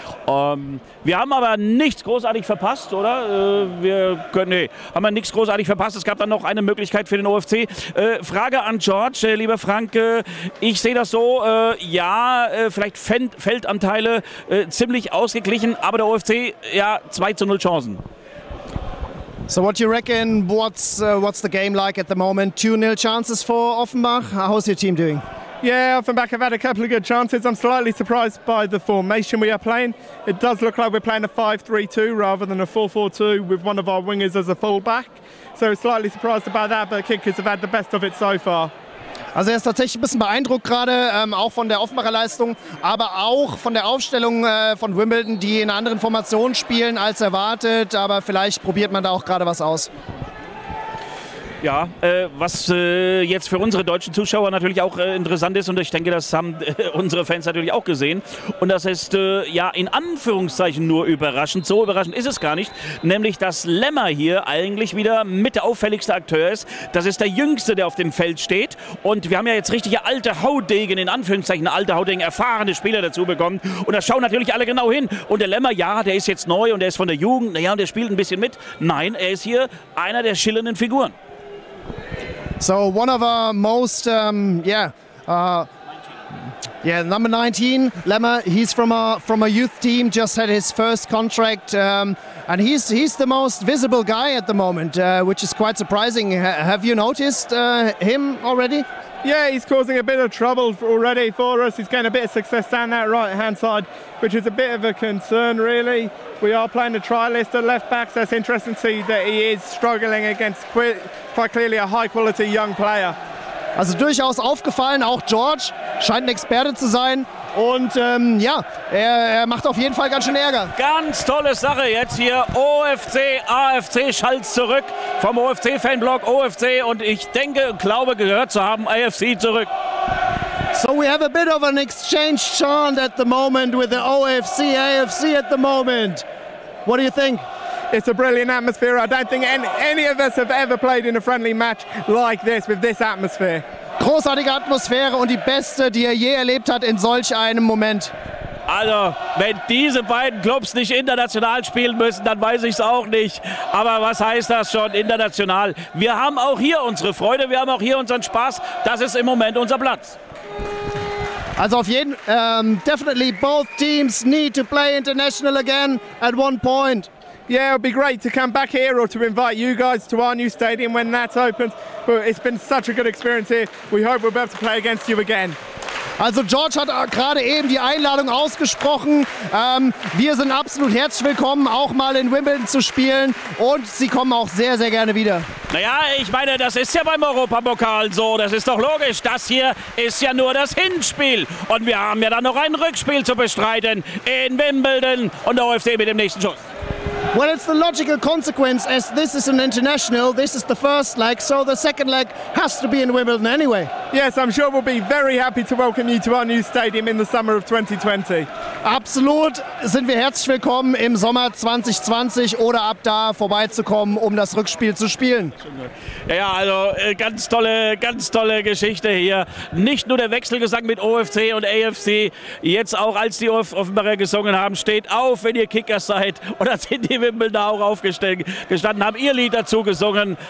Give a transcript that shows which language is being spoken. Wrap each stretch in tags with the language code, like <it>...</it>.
<de>Wir haben aber nichts großartig verpasst, oder? Haben wir nichts großartig verpasst. Es gab dann noch eine Möglichkeit für den OFC. Frage an George, lieber Frank. Ich sehe das so, vielleicht Feldanteile ziemlich ausgeglichen, aber der OFC, ja, 2-0 Chancen.</de> <en>So what do you reckon, what's the game like at the moment? 2-0 chances for Offenbach? How's your team doing? Yeah, Offenbach have had a couple of good chances. I'm slightly surprised by the formation we are playing. It does look like we're playing a 5-3-2 rather than a 4-4-2 with one of our wingers as a fullback. So slightly surprised about that, but Kickers have had the best of it so far.</en> <de>Also er ist tatsächlich ein bisschen beeindruckt gerade, auch von der Offenbacher Leistung, aber auch von der Aufstellung von Wimbledon, die in anderen Formationen spielen als erwartet. Aber vielleicht probiert man da auch gerade was aus. Ja, was jetzt für unsere deutschen Zuschauer natürlich auch interessant ist, und ich denke, das haben unsere Fans natürlich auch gesehen, und das ist ja in Anführungszeichen nur überraschend, so überraschend ist es gar nicht, nämlich, dass Lemmer hier eigentlich wieder mit der auffälligste Akteur ist. Das ist der Jüngste, der auf dem Feld steht, und wir haben ja jetzt richtige alte Haudegen, in Anführungszeichen alte Haudegen, erfahrene Spieler dazu bekommen, und da schauen natürlich alle genau hin, und der Lemmer, ja, der ist jetzt neu und der ist von der Jugend, naja, und der spielt ein bisschen mit. Nein, er ist hier einer der schillernden Figuren.</de> <en>So one of our most, number 19, Lemmer, he's from a youth team, just had his first contract, and he's the most visible guy at the moment, which is quite surprising. Have you noticed him already? Yeah, he's causing a bit of trouble already for us. He's getting a bit of success down that right-hand side, which is a bit of a concern, really. We are playing the trialist at left-back, so it's interesting to see that he is struggling against quite clearly a high-quality young player.</en> <de>Also durchaus aufgefallen, auch George scheint ein Experte zu sein. Und ja, er macht auf jeden Fall ganz schön Ärger. Ganz tolle Sache jetzt hier. OFC, AFC schallt zurück vom OFC-Fanblock. OFC und ich denke und glaube gehört zu haben, AFC zurück.</de> <en>So we have a bit of an exchange chant at the moment with the OFC, AFC at the moment. What do you think? It's a brilliant atmosphere. I don't think any of us have ever played in a friendly match like this, with this atmosphere.</en> <de>Großartige Atmosphäre und die beste, die er je erlebt hat in solch einem Moment. Also, wenn diese beiden Clubs nicht international spielen müssen, dann weiß ich es auch nicht. Aber was heißt das schon, international? Wir haben auch hier unsere Freude, wir haben auch hier unseren Spaß. Das ist im Moment unser Platz. Also auf jeden Fall,</de> <en>definitely both teams need to play international again at one point. Yeah, it'll be great to come back here or to invite you guys to our new stadium when that opens. But it's been such a good experience here. We hope we'll be able to play against you again.</en> <de>Also George hat gerade eben die Einladung ausgesprochen. Wir sind absolut herzlich willkommen, auch mal in Wimbledon zu spielen. Und sie kommen auch sehr, sehr gerne wieder. Naja, ich meine, das ist ja beim Europapokal so. Das ist doch logisch. Das hier ist ja nur das Hinspiel. Und wir haben ja dann noch ein Rückspiel zu bestreiten in Wimbledon. Und der OFC mit dem nächsten Schuss.</de> <en>Well, it's the logical consequence, as this is an international, this is the first leg, so the second leg has to be in Wimbledon anyway. Yes, I'm sure we'll be very happy to welcome you to our new stadium in the summer of 2020.</en> <de>Absolut, sind wir herzlich willkommen im Sommer 2020 oder ab da vorbeizukommen, um das Rückspiel zu spielen. Ja, also ganz tolle Geschichte hier. Nicht nur der Wechselgesang mit OFC und AFC, jetzt auch als die Offenbacher gesungen haben, steht auf, wenn ihr Kicker seid, oder sind die Wimbledon auch gestanden, haben ihr Lied dazu gesungen.</de>